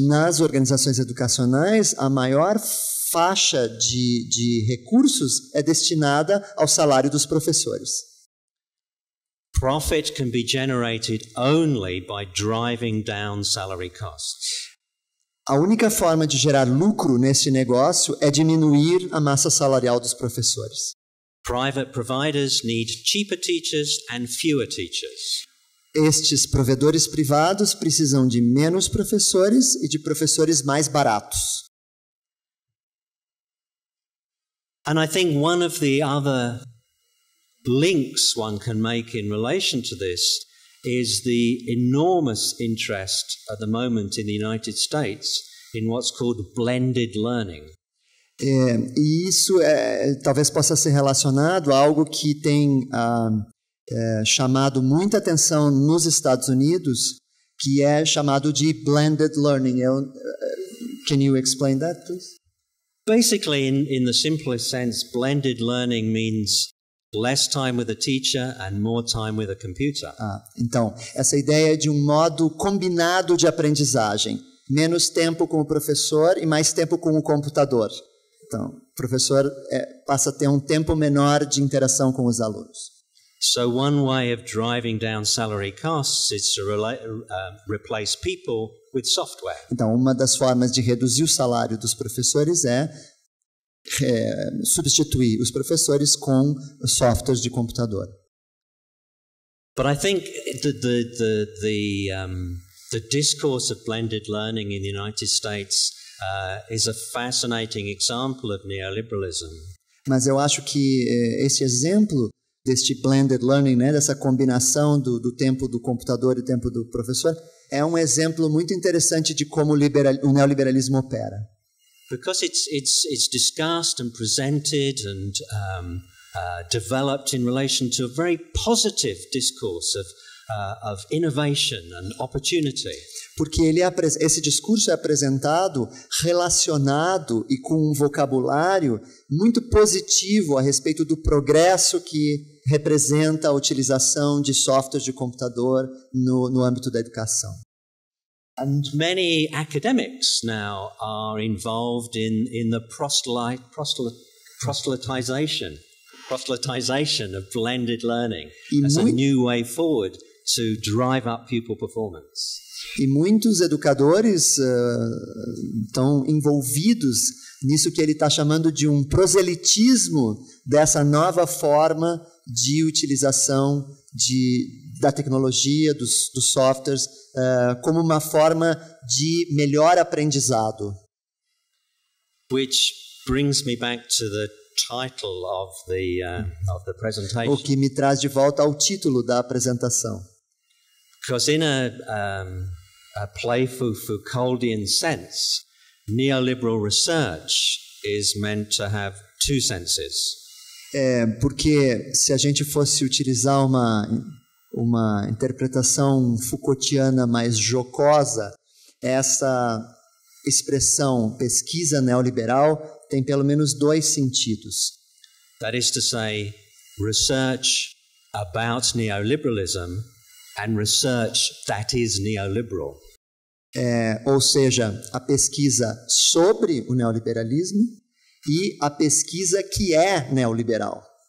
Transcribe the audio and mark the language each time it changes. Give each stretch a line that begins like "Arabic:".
Portuguese: Nas organizações educacionais, a maior faixa de recursos é destinada ao salário dos professores.
English: profit can be generated only by driving down salary costs.
Portuguese: A única forma de gerar lucro nesse negócio é diminuir a massa salarial dos professores.
English: Private providers need cheaper teachers and fewer teachers.
Portuguese: Estes provedores privados precisam de menos professores e de professores mais baratos.
English: And I think one of the other links one can make in relation to this is the enormous interest at the moment in the United States in what's called blended learning.
Portuguese: E isso talvez possa ser relacionado a algo que tem chamado muita atenção nos Estados Unidos, que é chamado de blended learning.
English: Can you explain that, please? Basically, in the simplest sense, blended learning means less time with a teacher and more time with a computer.
Portuguese: Então, essa ideia de um modo combinado de aprendizagem. Menos tempo com o professor e mais tempo com o computador. Então, o professor passa a ter um tempo menor de interação com os alunos.
English: So one way of driving down salary costs is to replace people with software.
Portuguese: Então, uma das formas de reduzir o salário dos professores é substituir os professores com softwares de computador.
English: But I think the discourse of blended learning in the United States is a fascinating example of neoliberalism.
Portuguese: Mas eu acho que esse exemplo deste blended learning, né, dessa combinação do tempo do computador e do tempo do professor, é um exemplo muito interessante de como o neoliberalismo opera.
English: Because it's discussed and presented and developed in relation to a very positive discourse of innovation and opportunity.
Portuguese: Porque esse discurso é apresentado relacionado e com um vocabulário muito positivo a respeito do progresso que representa a utilização de softwares de computador no âmbito da educação.
English: And many academics now are involved in the proselytization of blended learning as a new way forward to drive up pupil performance.
Portuguese: E muitos educadores estão envolvidos nisso que ele está chamando de um proselitismo dessa nova forma de utilização da tecnologia, dos softwares, como uma forma de melhor aprendizado.
English: Which brings me back to the title of the presentation.
Portuguese: O que me traz de volta ao título da apresentação.
English: Because in a playful Foucauldian sense, neoliberal research is meant to have two senses.
Portuguese: Porque se a gente fosse utilizar uma interpretação Foucaultiana mais jocosa, essa expressão pesquisa neoliberal tem pelo menos dois sentidos.
English: That is to say, research about neoliberalism and research that is neoliberal.
Portuguese: Ou seja, a pesquisa sobre o neoliberalismo e a pesquisa que é neoliberal.